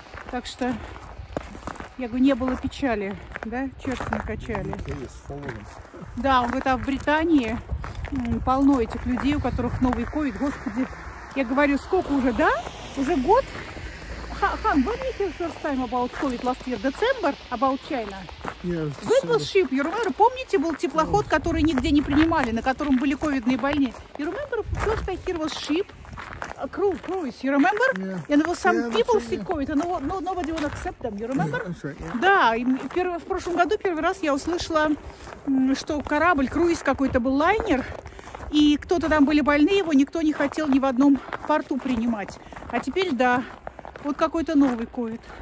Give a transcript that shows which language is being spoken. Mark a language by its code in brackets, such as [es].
[ru] Так что я говорю, не было печали, да? Черти накачали. Да, он говорит, а в Британии полно этих людей, у которых новый ковид. Господи, я говорю, сколько уже, да? Уже год? [en] Хан, when did you first time about COVID last year? December? About China? Yeah, when was ship? You remember? [ru] Помните, был теплоход, который нигде не принимали, на котором были ковидные больные? [en] You remember first I hear was ship? A cruise, you remember? Yeah. And there was some people sick COVID, and nobody would accept them, you remember? [ru] Да, в прошлом году первый раз я услышала, что корабль, круиз какой-то был, лайнер, и кто-то там были больные, его никто не хотел ни в одном порту принимать. А теперь да. Вот какой-то новый ковид.